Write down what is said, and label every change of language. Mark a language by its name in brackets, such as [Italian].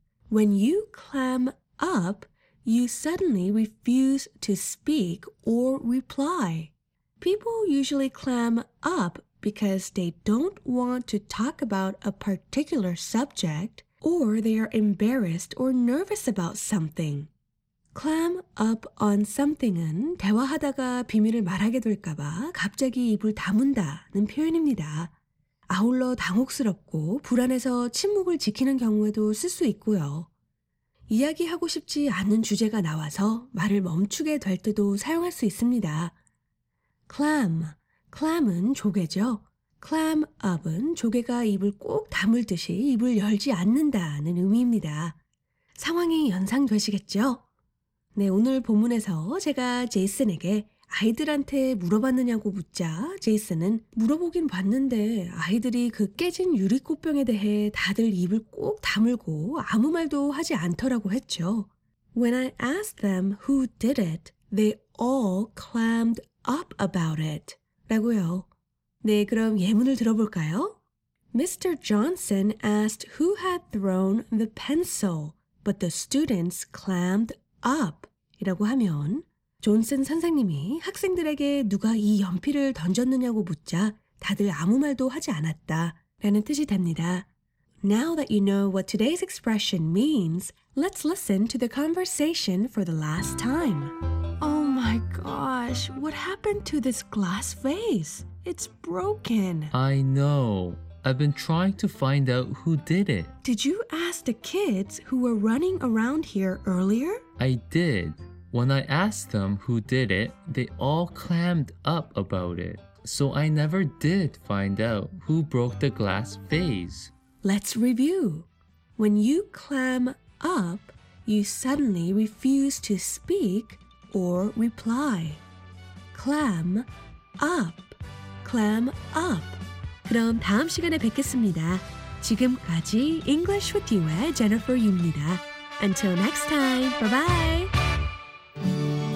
[English] When you clam up, you suddenly refuse to speak or reply. People usually clam up because they don't want to talk about a particular subject or they are embarrassed or nervous about something. [Korean] Clam up on something은 대화하다가 비밀을 말하게 될까봐 갑자기 입을 다문다는 표현입니다. 아울러 당혹스럽고 불안해서 침묵을 지키는 경우에도 쓸 수 있고요. 이야기하고 싶지 않은 주제가 나와서 말을 멈추게 될 때도 사용할 수 있습니다. Clam, clam은 조개죠. Clam up은 조개가 입을 꼭 다물듯이 입을 열지 않는다는 의미입니다. 상황이 연상되시겠죠? 네, 오늘 본문에서 제가 제이슨에게 아이들한테 물어봤느냐고 묻자 제이슨은 물어보긴 봤는데 아이들이 그 깨진 유리꽃병에 대해 다들 입을 꼭 다물고 아무 말도 하지 않더라고 했죠. [English] When I asked them who did it, they all clammed up about it. [Korean] 라고요. 네, 그럼 예문을 들어볼까요? [English] Mr. Johnson asked who had thrown the pencil, but the students clammed up. [Korean] 이라고 하면 존슨 선생님이 학생들에게 누가 이 연필을 던졌느냐고 묻자 다들 아무 말도 하지 않았다 라는 뜻이 됩니다. [English] Now that you know what today's expression means, let's listen to the conversation for the last time. Oh my gosh, what happened to this glass vase? It's broken. I know. I've been trying to find out who did it. Did you ask the kids who were running around here earlier? I did. When I asked them who did it, they all clammed up about it. So I never did find out who broke the glass vase. Let's review. When you clam up, you suddenly refuse to speak or reply. Clam up. Clam up. [Korean] 그럼 다음 시간에 뵙겠습니다. 지금까지 English with You의 Jennifer Yu입니다. [English] Until next time, bye-bye. Thank you.